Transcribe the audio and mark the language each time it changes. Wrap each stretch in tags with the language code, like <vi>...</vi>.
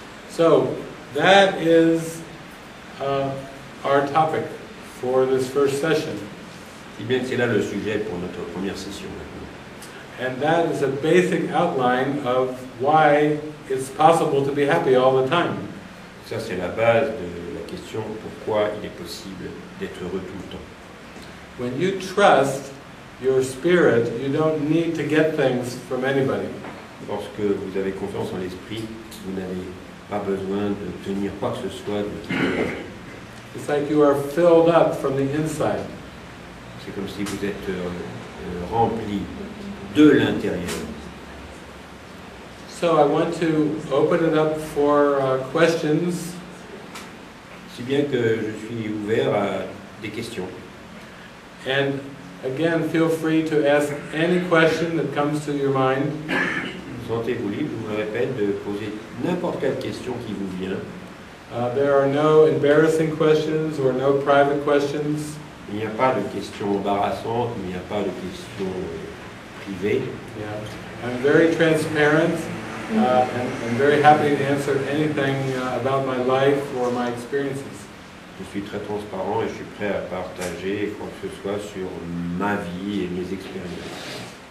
<en>So that is our topic for this first session.</en> <fr>Et bien, c'est là le sujet pour notre première session maintenant.</fr> <en>And that is a basic outline of why it's possible to be happy all the time.</en> <fr>Ça, c'est la base de la question pourquoi il est possible d'être heureux tout le temps.</fr> <en>When you trust your spirit, you don't need to get things from anybody.</en> <fr>Lorsque vous avez confiance en l'esprit, vous n'avez pas besoin de tenir quoi que ce soit de qui que ce soit.</fr> <en>It's like you are filled up from the inside.</en> <fr>C'est comme si vous êtes rempli de l'intérieur.</fr> <en>So I want to open it up for questions.</en> <fr>Si bien que je suis ouvert à des questions.</fr> <en>And again, feel free to ask any question that comes to your mind.</en> <fr>Sentez-vous libre, je vous le répète, de poser n'importe quelle question qui vous vient.</fr> <en>There are no embarrassing questions or no private questions.</en> <fr>Il n'y a pas de questions embarrassantes, il n'y a pas de questions privées. Yeah.</fr> <en>I'm very transparent and very happy to answer anything about my life or my experiences.</en> <fr>Je suis très transparent et je suis prêt à partager quoi que ce soit sur ma vie et mes expériences.</fr>